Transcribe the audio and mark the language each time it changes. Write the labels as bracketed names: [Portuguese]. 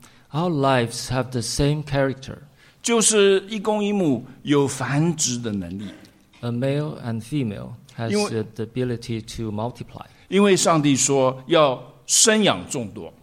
[English] Our lives have the same character. [Chinese] 就是一公一母有繁殖的能力。 [English] A male and female has the ability to multiply. [Chinese] 因为上帝说要生养众多。